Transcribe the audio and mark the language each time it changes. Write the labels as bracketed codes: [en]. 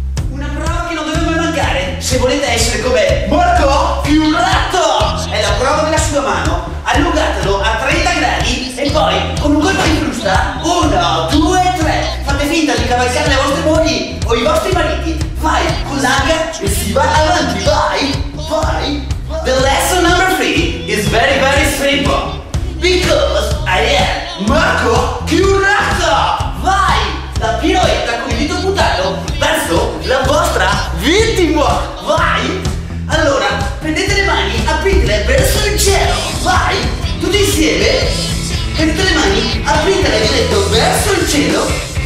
[it] Una prova che non dovete mai mancare, se volete essere come Marco Chiurato, è la prova della sua mano, allungatelo a 30 gradi e poi con un colpo di frusta, 1, 2, 3. Finta di cavalcare le vostre mani o i vostri mariti, vai con l'anca e si va avanti, vai, vai. [en] The lesson number 3 is very very simple because I am Marco Chiurato. [it] Vai, la piroetta con il dito puntato verso la vostra vittima, vai. Allora prendete le mani, apritele verso il cielo, vai, tutti insieme, prendete le mani, apritele, vi detto, verso il cielo.